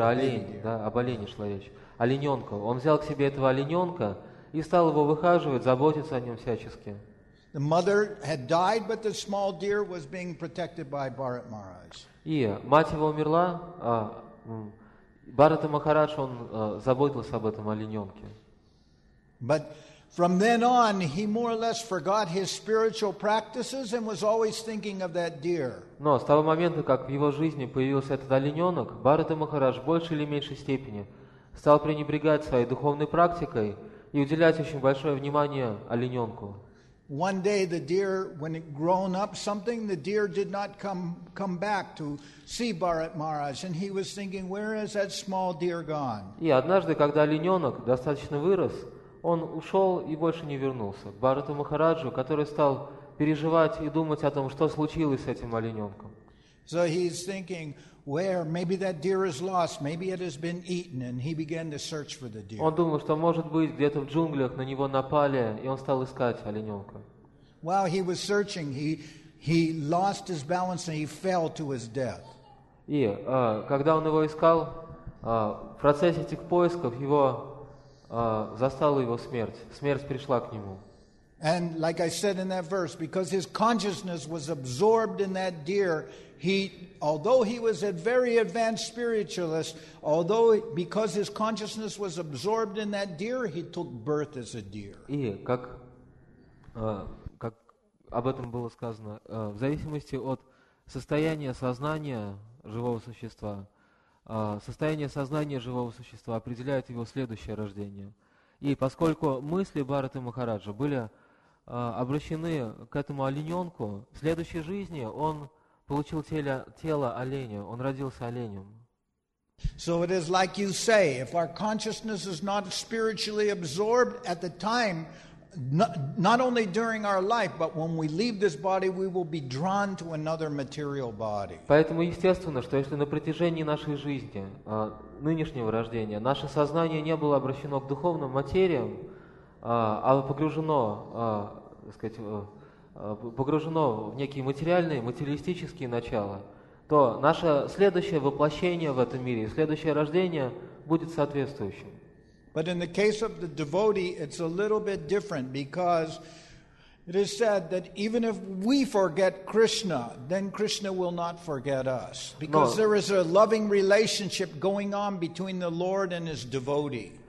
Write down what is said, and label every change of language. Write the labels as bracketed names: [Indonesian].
[Russian] Прошу прощения, не тигра, а олень, об олене шла речь. Олененка. Он взял к себе этого олененка и стал его выхаживать, заботиться о нем всячески. [English] The mother had died, but the small deer was being protected by Bharat Maharaj. [Russian] И мать его умерла, Бхарата Махарадж он заботился об этом олененке. [English] But from then on, he more or less forgot his spiritual practices and was always thinking of that deer. [Russian] Но с того момента, как в его жизни появился этот олененок, Бхарата Махарадж в большей или меньшей степени стал пренебрегать своей духовной практикой и уделять очень большое внимание олененку. [English] One day the deer, when it grown up something, the deer did not come back to see Bharat Maharaj, and he was thinking, where has that small deer gone? [Russian] И однажды, когда олененок достаточно вырос, он ушел и больше не вернулся к Бхарату Махараджу, который стал переживать и думать о том, что случилось с этим олененком. [English] So he's thinking, where? Maybe that deer is lost. Maybe it has been eaten. And he began to search for the deer. [Russian] Он думал, что, может быть, где-то в джунглях на него напали, и он стал искать олененка. [English] While he was searching, he lost his balance and he fell to his death. [Russian] И когда он его искал, в процессе этих поисков его застала его смерть. Смерть пришла к нему. [English] And like I said in that verse, because his consciousness was absorbed in that deer, he, although he was a very advanced spiritualist, although because his consciousness was absorbed in that deer, he took birth as a deer. [Russian] И как об этом было сказано, в зависимости от состояния сознания живого существа, состояние сознания живого существа определяет его следующее рождение. И поскольку мысли Бхараты Махараджа были обращены к этому олененку, в следующей жизни он получил тело оленя, он родился оленем. [English] So it is like you say, if our consciousness is not spiritually absorbed at the time not only during our life, but when we leave this body, we will be drawn to another material body. [Russian] Поэтому естественно, что если на протяжении нашей жизни, нынешнего рождения, наше сознание не было обращено к духовным материям, а погружено, так сказать, погружено в некие материальные, материалистические начала, то наше следующее воплощение в этом мире, следующее рождение будет соответствующим. [English] But in the case of the devotee, it's a little bit different because it is said that even if we forget Krishna, then Krishna will not forget us. Because there is a loving relationship going on between the Lord and his devotee.